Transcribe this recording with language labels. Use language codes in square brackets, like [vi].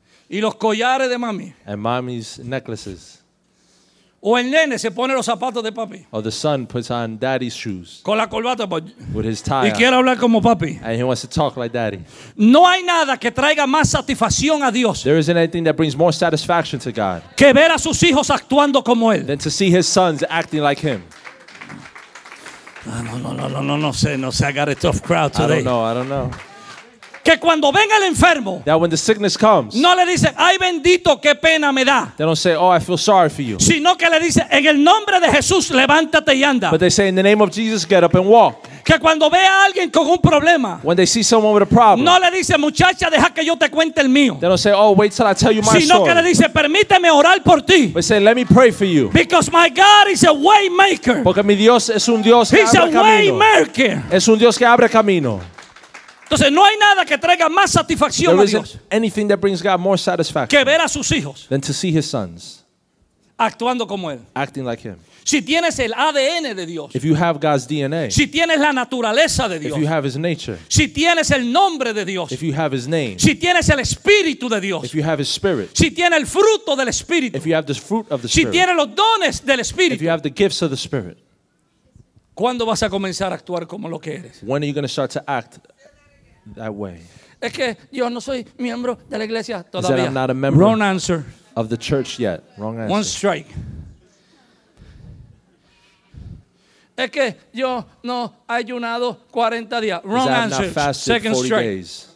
[es] Y los collares de mami. [en] And mommy's necklaces. [es] O el nene se pone los zapatos de papi. [en] Or the son puts on daddy's shoes. [es] Con la corbata. [en] But with his tie. [es] Y quiere hablar como papi. [en] And he wants to talk like daddy. [es] No hay nada que traiga más satisfacción a Dios. [en] There isn't anything that brings more satisfaction to God. [es] Que ver a sus hijos actuando como él. [en] Than to see his sons acting like him. [es] No sé, [en] I got a tough crowd today. I don't know. [es] Que cuando venga el enfermo, [en] that when the sickness comes, [es] no le dice, ay bendito, qué pena me da. [en] They don't say, oh, I feel sorry for you. [es] Sino que le dice, en el nombre de Jesús, levántate y anda. [en] But they say, in the name of Jesus, get up and walk. [es] Que cuando vea a alguien con un problema, [en] when they see someone with a problem, [es] no le dice, muchacha, deja que yo te cuente el mío. [en] They don't say, oh, wait till I tell you my story. [es] Sino que le dice, permíteme orar por ti. [en] They say, let me pray for you. Because my God is a way maker. [es] Porque mi Dios es un Dios que [en] He's [es] abre camino. [en] He's a way maker. [es] Es un Dios que abre camino. Entonces no hay nada que traiga más satisfacción [en] there [es] a Dios [en] anything that brings God more satisfaction [es] que ver a sus hijos [en] than to see his sons. [es] actuando como él. [en] Acting like him. [es] Si tienes el ADN de Dios. [en] If you have God's DNA. [es] Si tienes la naturaleza de Dios. [en] If you have his nature. [es] Si tienes el nombre de Dios. [en] If you have his name. [es] Si tienes el espíritu de Dios. [en] If you have his spirit. [es] Si tienes el fruto del espíritu. [en] If you have the fruit of the spirit. [es] Si tienes los dones del espíritu. [en] If you have the gifts of the spirit. [es] ¿Cuándo vas a comenzar a actuar como lo que eres? [en] When are you going to start to act that way? [es] Es que yo no soy miembro de la iglesia todavía. [en] I'm not a member. Wrong answer. Of the church yet. Wrong answer. One strike. [es] Es que yo no he ayunado 40 días. [en] Wrong answer. Second strike.